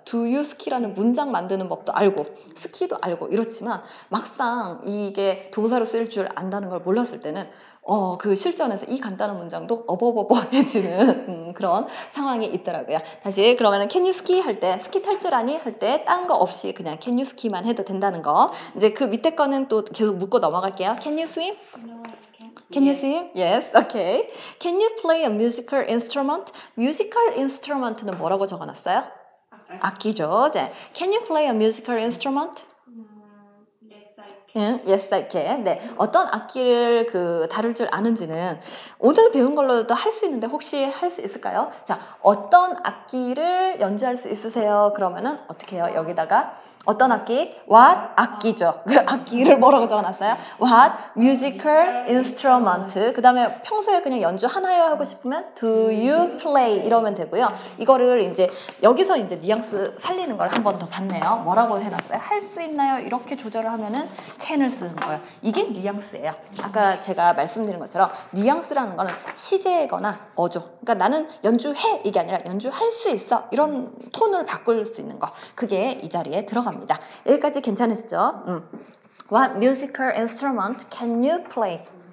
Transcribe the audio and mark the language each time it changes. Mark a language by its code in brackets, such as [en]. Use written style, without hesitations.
[en] Do you [ko] 스키라는 문장 만드는 법도 알고 스키도 알고 이렇지만 막상 이게 동사로 쓰일 줄 안다는 걸 몰랐을 때는 그 실전에서 이 간단한 문장도 어버버버해지는 그런 상황이 있더라고요. 다시 그러면은 [en] can you ski [ko] 할 때 스키 탈 줄 아니 할 때 딴 거 없이 그냥 can you ski만 해도 된다는 거. 이제 그 밑에 거는 또 계속 묻고 넘어갈게요. [en] Can you swim? Can you swim? Yes. Okay. Can you play a musical instrument? [ko] Musical instrument는 뭐라고 적어놨어요? 악기죠. 네. [en] Can you play a musical instrument? Yes, I can. Yes, I can. 네. [ko] 어떤 악기를 그 다룰 줄 아는지는 오늘 배운 걸로도 할 수 있는데 혹시 할 수 있을까요? 자, 어떤 악기를 연주할 수 있으세요? 그러면은 어떻게 해요? 여기다가 어떤 악기? What? 악기죠. 그 악기를 뭐라고 적어놨어요? [en] What? Musical instrument. [ko] 그 다음에 평소에 그냥 연주 하나요? 하고 싶으면 [en] Do you play? [ko] 이러면 되고요. 이거를 이제 여기서 이제 뉘앙스 살리는 걸 한 번 더 봤네요. 뭐라고 해놨어요? 할 수 있나요? 이렇게 조절을 하면은 can을 쓰는 거예요. 이게 뉘앙스예요. 아까 제가 말씀드린 것처럼 뉘앙스라는 거는 시제거나 어조. 그러니까 나는 연주해! 이게 아니라 연주할 수 있어! 이런 톤을 바꿀 수 있는 거. 그게 이 자리에 들어갑니다. 여기까지 괜찮으시죠? [en] What musical instrument can you play?